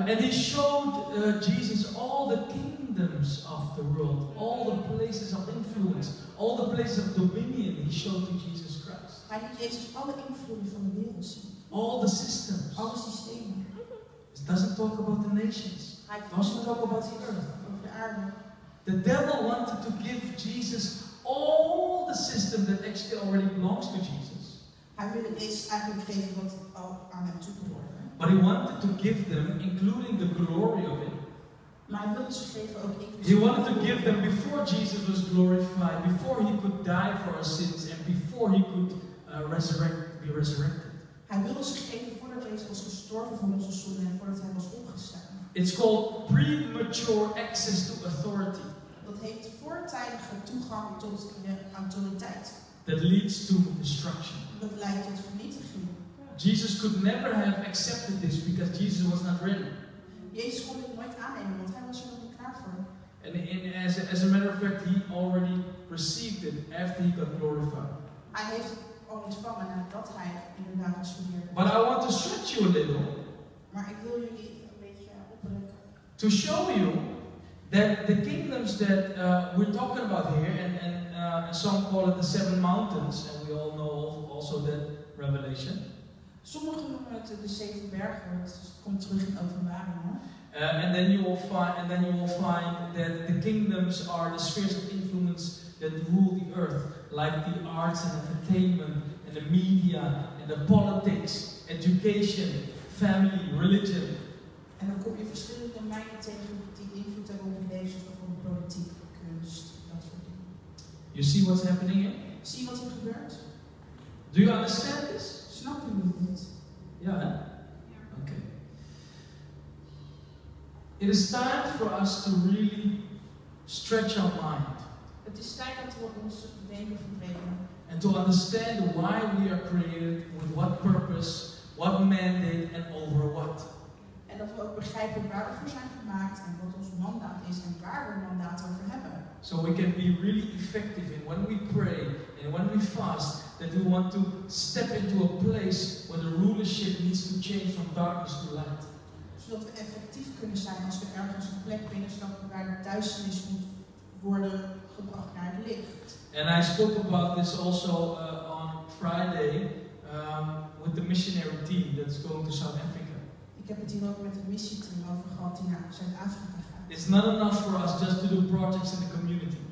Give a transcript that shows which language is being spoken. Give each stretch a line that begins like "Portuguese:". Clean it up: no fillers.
English: Yeah, and he showed Jesus all the kingdoms of the world, all the places of influence, all the places of dominion. He showed to Jesus Christ.
Dutch: Hij liet Jezus alle invloed van de wereld zien.
English: All the systems.
Dutch: Alle systemen.
English: It doesn't talk about the nations. It doesn't talk about the earth.
Dutch: Over de aarde.
English: The devil wanted to give Jesus all the system that actually already belongs to Jesus.
Dutch: Hij wilde Jezus eigenlijk geven wat al aan hem toebehoort.
English: But he wanted to give them, including the glory of it.
Dutch: Maar hij wilde ze geven ook
English: inclusief. He wanted to give them before Jesus was glorified, before he could die for our sins, and before he could be resurrected.
Dutch: Hij wilde ze geven voordat Jezus was gestorven voor onze zonden en voordat hij was opgestaan.
English: It's called premature access to authority.
Dutch: Dat heet voortijdige toegang tot de autoriteit.
English: That leads to destruction.
Dutch: Dat leidt tot vernietiging.
English: Jesus could never have accepted this because Jesus was not ready.
Dutch: Jezus kon dit nooit aannemen want hij was er nog niet klaar voor.
English: And as a matter of fact, he already received it after he got glorified.
Dutch: Hij heeft ontvangen nadat hij inderdaad was verheerlijkt.
English: But I want to stretch you a little.
Dutch: Maar ik wil jullie een beetje oprekken.
English: To show you that the kingdoms that we're talking about here, and some call it the seven mountains, and we all know also that revelation.
Dutch: Sommigen noemen het de zeven bergen, want het komt terug in Openbaring.
English: And then you will find that the kingdoms are the spheres of influence that rule the earth, like the arts and entertainment and the media and the politics, education, family, religion.
Dutch: En dan kom je verschillende domeinen tegen die invloed hebben op leven, bijvoorbeeld politiek, kunst, dat soort dingen.
English: You see what's happening here?
Dutch: Zie wat er gebeurt?
English: Do you understand this?
Dutch: Snap je dit? Ja, yeah, hè? Yeah. Okay.
English: It is time for us to really stretch our mind.
Dutch: Het is tijd dat we ons denken verbreden.
English: And to understand why we are created, with what purpose, what mandate, and over what.
Dutch: En dat we ook begrijpen waar we voor zijn gemaakt en wat ons mandaat is en waar we mandaat over hebben.
English: So we can be really effective in when we pray and when we fast, that we want to step into a place where the rulership needs to change from darkness to light.
Dutch: Zodat we effectief kunnen zijn als we ergens een plek binnenstappen waar de duisternis moet worden gebracht naar het licht.
English: And I spoke about this also on Friday with the missionary team that's going to South Africa.
Dutch: Ik heb het hier ook met het missieteam over gehad die naar Zuid-Afrika gaat.
English: It's not enough for us just to do projects in the community.